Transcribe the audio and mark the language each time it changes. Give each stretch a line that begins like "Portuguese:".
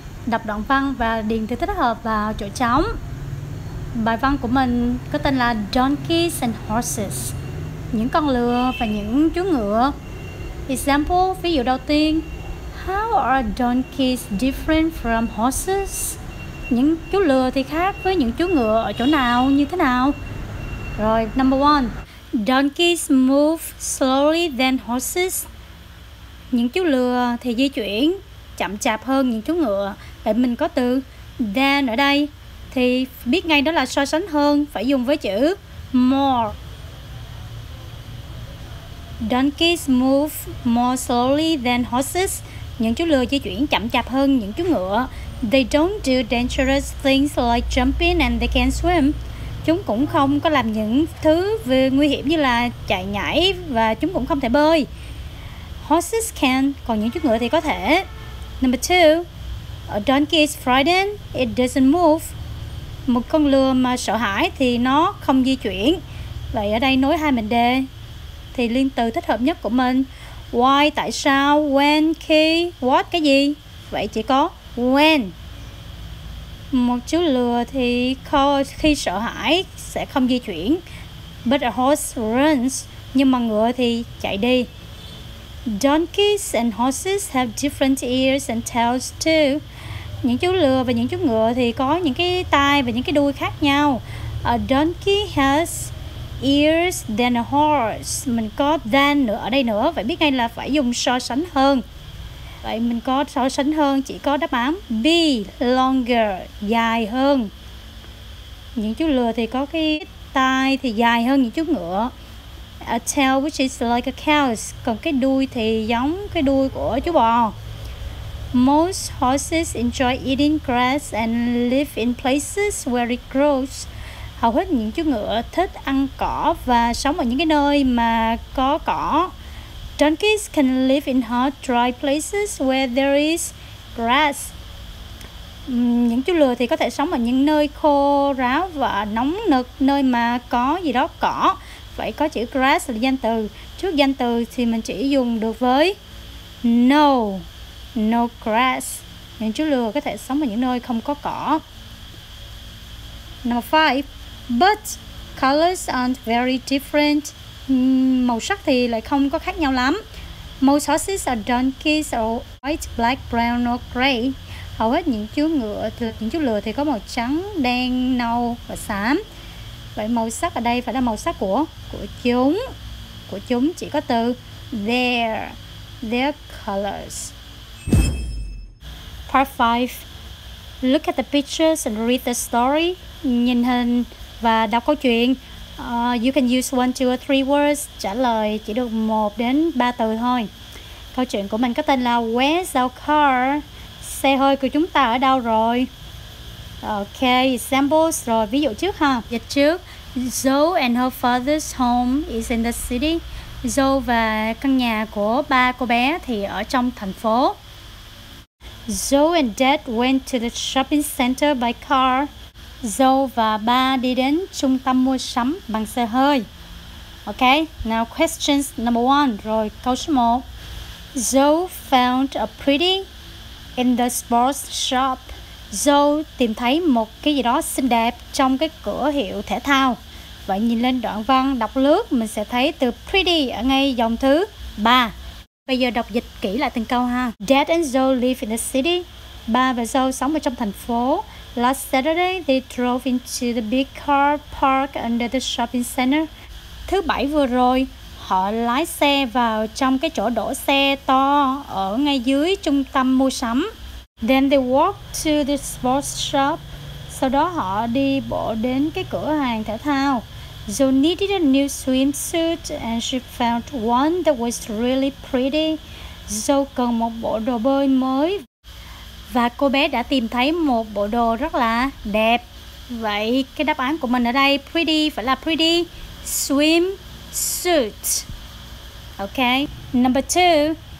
Vietnamese: đọc đoạn văn và điền từ thích hợp vào chỗ trống. Bài văn của mình có tên là Donkeys and Horses, những con lừa và những chú ngựa.
English: Example,
Vietnamese: ví dụ đầu tiên:
English: How are donkeys different from horses?
Vietnamese: Những chú lừa thì khác với những chú ngựa ở chỗ nào, như thế nào?
English: Rồi, number one: Donkeys move slowly than horses.
Vietnamese: Những chú lừa thì di chuyển chậm chạp hơn những chú ngựa. Để mình có từ than ở đây thì biết ngay đó là so sánh hơn, phải dùng với chữ more.
English: Donkeys move more slowly than horses.
Vietnamese: Những chú lừa di chuyển chậm chạp hơn những chú ngựa.
English: They don't do dangerous things like jumping and they can swim.
Vietnamese: Chúng cũng không có làm những thứ nguy hiểm như là chạy nhảy và chúng cũng không thể bơi.
English: Horses can,
Vietnamese: còn những chú ngựa thì có thể.
English: Number two, a donkey is frightened, it doesn't move.
Vietnamese: Một con lừa mà sợ hãi thì nó không di chuyển. Vậy ở đây nối hai mệnh đề thì liên từ thích hợp nhất của mình: why, tại sao, when, khi, what, cái gì. Vậy chỉ có when. Một chú lừa thì khi sợ hãi sẽ không di chuyển.
English: But a horse runs,
Vietnamese: nhưng mà ngựa thì chạy đi.
English: Donkeys and horses have different ears and tails too.
Vietnamese: Những chú lừa và những chú ngựa thì có những cái tai và những cái đuôi khác nhau.
English: A donkey has ears than a horse.
Vietnamese: Mình có than nữa ở đây nữa, vậy biết ngay là phải dùng so sánh hơn. Vậy mình có so sánh hơn, chỉ có đáp án B, longer, dài hơn. Những chú lừa thì có cái tai thì dài hơn những chú ngựa.
English: A tail which is like a cow's.
Vietnamese: Còn cái đuôi thì giống cái đuôi của chú bò.
English: Most horses enjoy eating grass and live in places where it grows.
Vietnamese: Hầu hết những chú ngựa thích ăn cỏ và sống ở những cái nơi mà có cỏ.
English: Donkeys can live in hot, dry places where there is grass.
Vietnamese: Những chú lừa thì có thể sống ở những nơi khô ráo và nóng nực, nơi mà có gì đó cỏ. Vậy có chữ grass là danh từ. Trước danh từ thì mình chỉ dùng được với no.
English: No grass.
Vietnamese: Những chú lừa có thể sống ở những nơi không có cỏ. Number 5.
English: But colors aren't very different.
Vietnamese: Màu sắc thì lại không có khác nhau lắm.
English: Most horses are donkeys or white, black, brown or gray.
Vietnamese: Hầu hết những chú ngựa, những chú lừa thì có màu trắng, đen, nâu và xám. Vậy màu sắc ở đây phải là màu sắc của chúng. Của chúng chỉ có từ their colors.
English: Part 5. Look at the pictures and read the story.
Vietnamese: Nhìn hình và đọc câu chuyện.
English: You can use 1, 2 or 3 words.
Vietnamese: Trả lời chỉ được 1 đến 3 từ thôi. Câu chuyện của mình có tên là Where's our car? Xe hơi của chúng ta ở đâu rồi? Ok, examples rồi, ví dụ trước ha. Dịch trước:
English: Zoe and her father's home is in the city.
Vietnamese: Zoe và căn nhà của ba cô bé thì ở trong thành phố.
English: Zoe and dad went to the shopping center by car.
Vietnamese: Zoe và ba đi đến trung tâm mua sắm bằng xe hơi.
English: Ok, now questions number 1.
Vietnamese: Rồi, câu số 1.
English: Zoe found a pretty in the sports shop.
Vietnamese: Zoe tìm thấy một cái gì đó xinh đẹp trong cái cửa hiệu thể thao. Vậy nhìn lên đoạn văn đọc lướt, mình sẽ thấy từ pretty ở ngay dòng thứ 3. Bây giờ đọc dịch kỹ lại từng câu ha.
English: Dad and Zoe live in the city.
Vietnamese: Ba và Zoe sống ở trong thành phố.
English: Last Saturday they drove into the big car park under the shopping center.
Vietnamese: Thứ bảy vừa rồi, họ lái xe vào trong cái chỗ đổ xe to ở ngay dưới trung tâm mua sắm.
English: Then they walked to the sports shop.
Vietnamese: Sau đó họ đi bộ đến cái cửa hàng thể thao.
English: Zoe needed a new swimsuit and she found one that was really pretty.
Vietnamese: Zoe cần một bộ đồ bơi mới và cô bé đã tìm thấy một bộ đồ rất là đẹp. Vậy cái đáp án của mình ở đây pretty phải là pretty swimsuit. Ok.
English: Number 2.